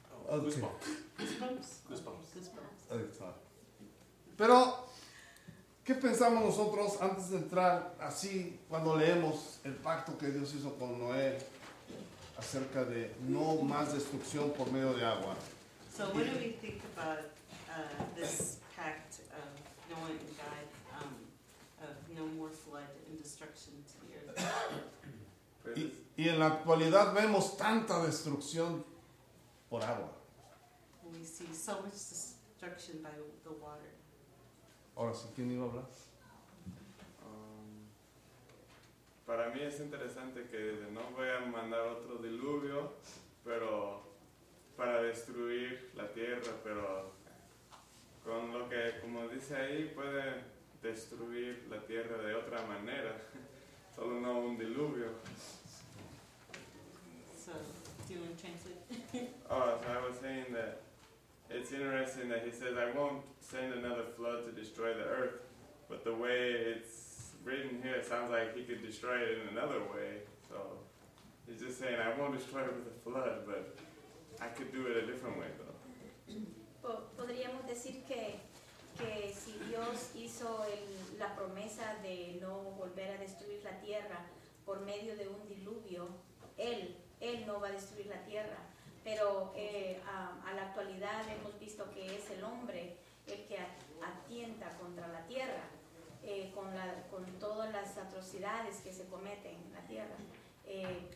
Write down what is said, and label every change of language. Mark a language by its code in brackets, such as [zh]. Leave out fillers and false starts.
[en] Okay. Goosebumps. Goosebumps. [es] Pero, ¿qué pensamos nosotros antes de entrar así cuando leemos el pacto que Dios hizo con Noé acerca de no más destrucción por medio de agua? [en] So what do we think about this pact of Noé and God, of no more flood and destruction to the earth? [es] Y en la actualidad vemos tanta destrucción por agua. [en] We see so much destruction by the water. [es] Ahora sí, ¿quién iba a hablar? Para mí es interesante que no voy a mandar otro diluvio, pero para destruir la tierra, pero con lo que, como dice ahí, puede destruir la tierra de otra manera, solo no un diluvio. [en] So, do you want to translate? Oh, so I was saying that it's interesting that he says, I won't send another flood to destroy the earth, but the way it's written here, it sounds like he could destroy it in another way. So he's just saying, I won't destroy it with a flood, but I could do it a different way, though. [es] Podríamos decir que si Dios hizo la promesa de no volver a destruir la tierra por medio de un diluvio, él no va a destruir la tierra. Pero a la actualidad hemos visto que es el hombre el que atienta contra la tierra, con todas las atrocidades que se cometen en la tierra.